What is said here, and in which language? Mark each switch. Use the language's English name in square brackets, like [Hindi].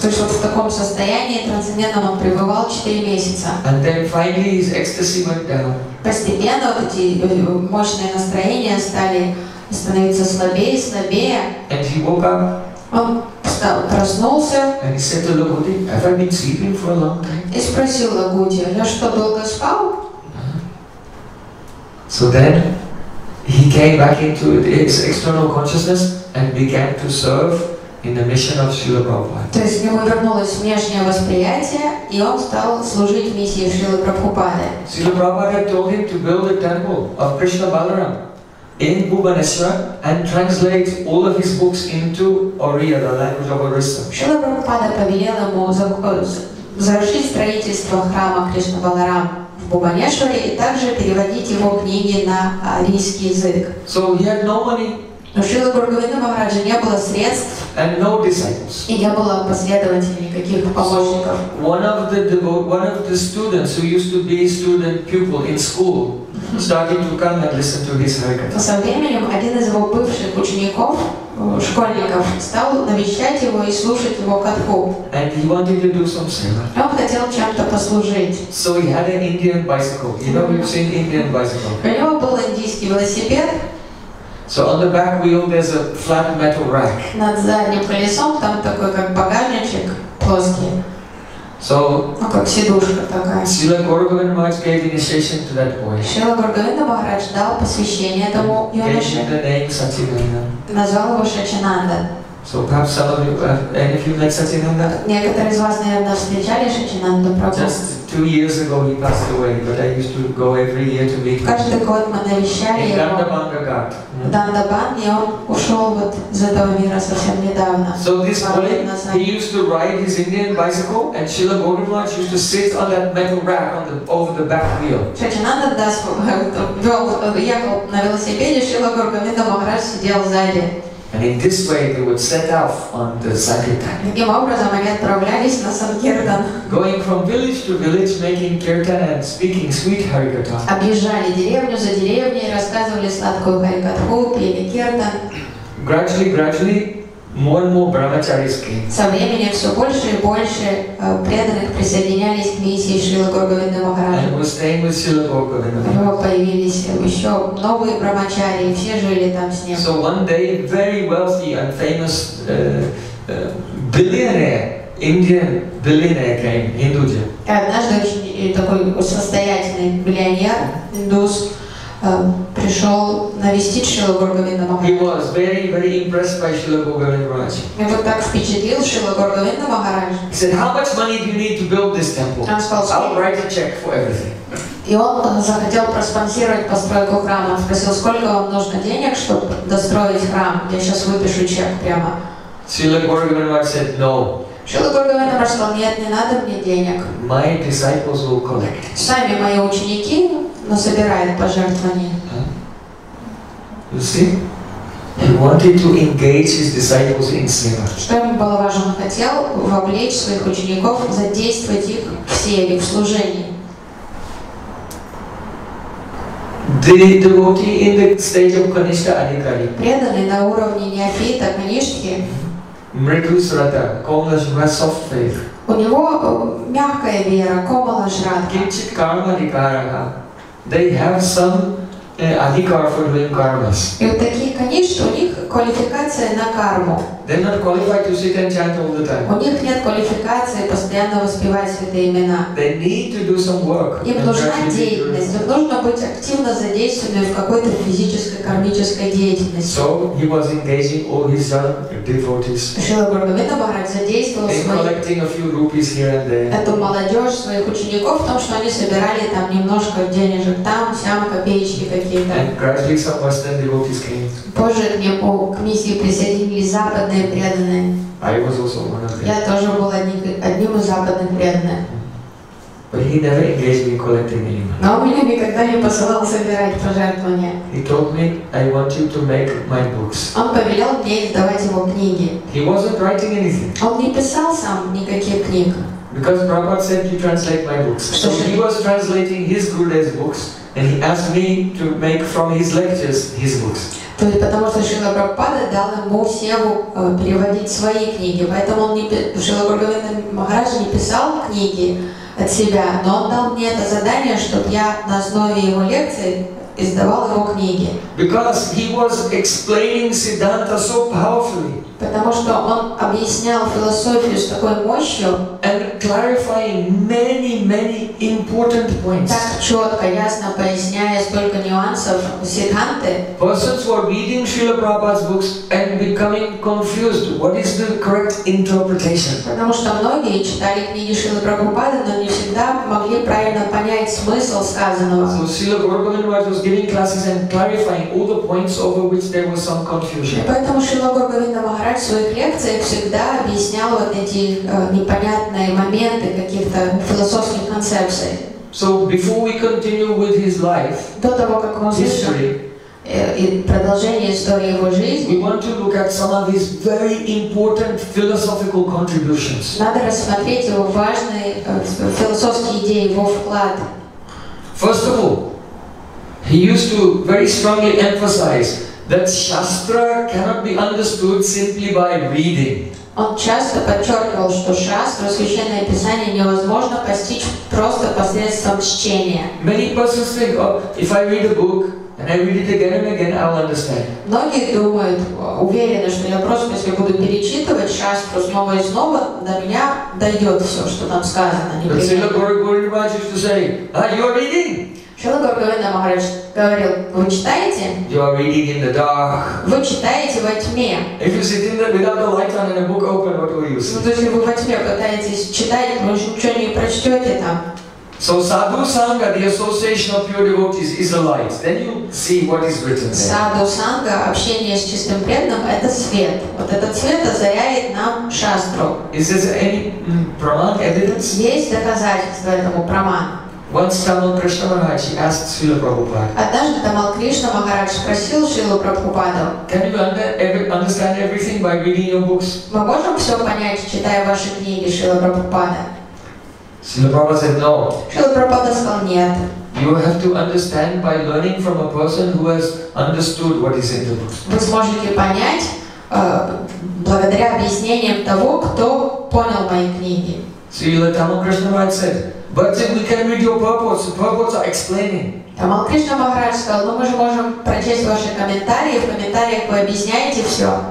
[Russian] То есть вот в таком состоянии трансцендентном он пребывал 4 месяца. [English] And then finally his ecstasy went down. [Russian] Постепенно вот эти мощные настроения стали становиться слабее и слабее. [English] And he woke up. [Russian] Он встал, проснулся. [English] And he said to Lagudi, "Have I been sleeping for a long time?" [Russian] И спросил Лагуди, "Я что, долго спал?" [English] So then he came back into his external consciousness and began to serve in the mission of Srila Prabhupada. [Russian] То есть у него вернулось внешнее восприятие, и он стал служить миссии Шрилы Прабхупады. [English] Srila Prabhupada had told him to build a temple of Krishna Balaram in Bhubaneswar and translate all of his books into Oriya, the language of Orissa. [Russian] Шрила Прабхупада повелел ему завершить строительство храма Кришна Баларам в Бхубанешваре и также переводить его книги на арийский язык. [English] So he had no money. [Russian] Но Шрила Гургавинда Махараджа не было средств. [English] And no disciples. [Russian] И не было последователей, никаких помощников. [English] So one of the students who used to be student pupil in school started to come and listen to his harikata. [Russian] Со временем один из его бывших учеников, школьников, стал навещать его и слушать его катху. [English] And he wanted to do some seva. [Russian] Он хотел чем-то послужить. [English] So he had an Indian bicycle. You know, you've seen Indian bicycle. [Russian] У него был индийский велосипед. [English] So on the back wheel there's a flat metal rack. [Russian] Над задним колесом там такой как багажничек плоский. [English] So, [Russian] ну как сидушка такая. [English] Srila Gaura gave initiation to that boy. [Russian] Srila Gaura Махарадж дал посвящение этому юноше. Назвал его Шачинанда. [English] So perhaps some of you, any of you met Шачинанда? [Russian] Некоторые из вас, наверное, встречали Шачинанду Прабху. [English] Just 2 years ago he passed away, but I used to go every year to meet him. [Russian] Каждый год мы навещали его. [English] In Дандабанга Гат. [Russian] Дандабан, и он ушел вот из этого мира совсем недавно. [English] So this boy, he used to ride his Indian bicycle, and Srila Gaura Махарадж used to sit on that metal rack on the over the back wheel. [Russian] Шачинанда Дас ехал на велосипеде, Шрила Гаура Махарадж сидел сзади. [English] And in this way they would set off on the sankirtan. [Russian] Таким образом они отправлялись на санкиртан. [English] Going from village to village, making kirtan and speaking sweet harikatha. [Russian] Объезжали деревню за деревней, рассказывали сладкую харикатху, пели киртан. [English] Gradually, more and more brahmacharis came. [Russian] Со временем все больше и больше преданных присоединялись к миссии Шрилы Гаура-Говинды Махараджа. [English] And were staying with Srila Gaura-Govinda. [Russian] У него появились еще новые брахмачари, и все жили там с ним. [English] So one day, very wealthy and famous billionaire, Indian billionaire came, Hinduja. [Russian] И однажды очень такой состоятельный миллионер, индус, пришел навестить Шрилу Гаура-Говинду Махараджа. [English] He was very, very impressed by Srila Gaura-Govinda Махараджа. [Russian] И вот так впечатлил Шрилу Гаура-Говинду Махараджа. [English] He said, "How much money do you need to build this temple? [Russian] Он сказал, [English] I'll write a check for everything." [Russian] И он захотел проспонсировать постройку храма. Он спросил, сколько вам нужно денег, чтобы достроить храм? Я сейчас выпишу чек прямо. [English] Srila Gaura-Govinda Махараджа said, "No." [Russian] Шрила Гаура-Говинда Махараджа сказал, нет, не надо мне денег. [English] My disciples will collect. [Russian] Сами мои ученики насобирают пожертвования. [English] You see? He wanted to engage his disciples in seva. [Russian] Что ему было важно? Он хотел вовлечь своих учеников, задействовать их в севе, в служении. [English] The devotee in the stage of Kanishka Adhikari. [Russian] Преданный на уровне неофита, Канишки. [English] Мрикусрата, комлажра, soft faith. [Russian] У него мягкая вера, комлажрата. [English] Кинчит карма дикарага. They have some adhikar for doing karmas. [Russian] И вот такие, конечно, у них квалификация на карму. [English] They're not qualified to sit and chant all the time. [Russian] У них нет квалификации постоянно воспевать святые имена. [English] They need to do some work. [Russian] Им нужна деятельность. Им нужно быть активно задействованным в какой-то физической кармической деятельности. [English] So he was engaging all his devotees. [Russian] Шрила Гаура-Говинда Махарадж задействовал своих. [English] In collecting a few rupees here and there. [Russian] Эту молодежь своих учеников в том, что они собирали там немножко денежек там, сям, копеечки какие-то. [English] And gradually some Western devotees came. [Russian] Позже к нему к миссии присоединились западные преданные. [English] I was also one of them. [Russian] Я тоже был одним из западных преданных. [English] But he never engaged me collecting any money. [Russian] Но он меня никогда не посылал собирать пожертвования. [English] He told me, "I want you to make my books." [Russian] Он повелел мне издавать его книги. [English] He wasn't writing anything. [Russian] Он не писал сам никаких книг. [English] Because Prabhupada said you translate my books. So he was translating his Gurudev's books, and he asked me to make from his lectures his books. [Russian] То есть потому что Шрила Прабхупада дал ему севу переводить свои книги. Поэтому он не Шрила Прабхупада Махараджа не писал книги от себя, но он дал мне это задание, чтобы я на основе его лекции издавал его книги. [English] Because he was explaining Siddhanta so powerfully. [Russian] Потому что он объяснял философию с такой мощью. [English] And clarifying many, many important points. [Russian] Так четко, ясно поясняя столько нюансов Сиддханты. [English] Persons were reading Srila Prabhupada's books and becoming confused. What is the correct interpretation? [Russian] Потому что многие читали книги Шрилы Прабхупады, но не всегда могли правильно понять смысл сказанного. [English] So Srila Prabhupada was giving classes and clarifying all the points over which there was some confusion. [Russian] Поэтому Шрила Прабхупада Махарадж в своих лекциях всегда объяснял вот эти непонятные моменты каких-то философских концепций. [English] So before we continue with his life, [Russian] до того, как мы [English] history, [Russian] и продолжение истории его жизни, [English] we want to look at some of his very important philosophical contributions. [Russian] Надо рассмотреть его важные философские идеи, его вклад. [English] First of all, he used to very strongly emphasize that shastra cannot be understood simply by reading. [Russian] Он часто подчеркивал, что шастра, священное писание, невозможно постичь просто посредством чтения. [English] Many persons think, oh, if I read a book and I read it again and again, I will understand. [Russian] Многие думают, уверены, что я просто, если буду перечитывать шастру снова и снова, до меня дойдет все, что там сказано. [English] But Srila Prabhupada wants to say, ah, you are reading. [Russian] Шрила Прабхупада Махарадж говорил, вы читаете? [English] You are reading in the dark. [Russian] Вы читаете во тьме. [English] If you sit in there without the light on and a book open, what will you see? [Russian] Ну, то есть, вы во тьме пытаетесь читать, вы же ничего не прочтете там. [English] So Sadhu Sangha, the association of pure devotees, is a light. Then you see what is written there. [Russian] Sadhu Sangha, общение с чистым преданным, это свет. Вот этот свет озаряет нам шастру. [English] Is there any praman evidence? [Russian] Есть доказательство этому праман. [English] Once Tamal Krishna Maharaj asked Srila Prabhupada. [Russian] Однажды Тамал Кришна Махарадж спросил Шрилу Прабхупаду. [English] Can you understand everything by reading your books? [Russian] Мы можем все понять, читая ваши книги, Шрила Прабхупада? [English] Srila Prabhupada said no. [Russian] Шрила Прабхупада сказал нет. [English] You have to understand by learning from a person who has understood what is in the books. [Russian] Вы сможете понять благодаря объяснениям того, кто понял мои книги. [English] Srila Tamal Krishna Maharaj said. But then we can read your purports. The purports are explaining. [Russian] Тамал Кришна Махарадж сказал, ну мы же можем прочесть ваши комментарии, в комментариях вы объясняете все.